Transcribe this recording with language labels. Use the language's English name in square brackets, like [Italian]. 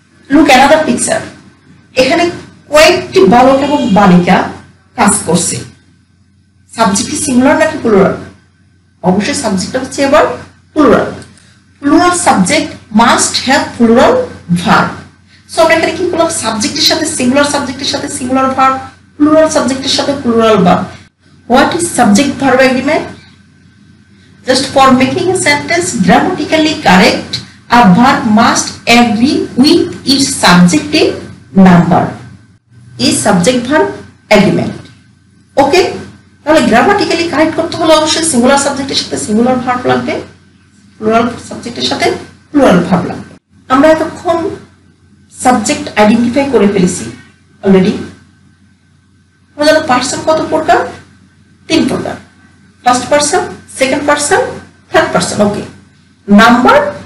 [English] look another picture [Bangla] এখানে কয়েকটি বালক এবং বালিকা কাজ করছে সাবজেক্ট কি সিঙ্গুলার নাকি প্লুরাল অবশ্যই সাবজেক্ট হচ্ছে এবার plural [English] plural subject must have plural verb [Bangla] so আমরা এখানে কি করলাম সাবজেক্টের সাথে সিঙ্গুলার ভার্ব প্লুরাল সাবজেক্টের সাথে plural verb [English] What is subject verb agreement? Just for making a sentence grammatically correct, a verb must agree with its subjective number. Is subject verb agreement. Okay? [Bangla] তাহলে grammatically correct করতে হলে অবশ্যই singular সাবজেক্টের সাথে singular verb লাগবে plural সাবজেক্টের সাথে plural verb লাগবে আমরা এতক্ষণ সাবজেক্ট আইডেন্টিফাই করে ফেলেছি অলরেডি আমাদের পার্সন কত প্রকার তিন প্রকার first person second person third person okay number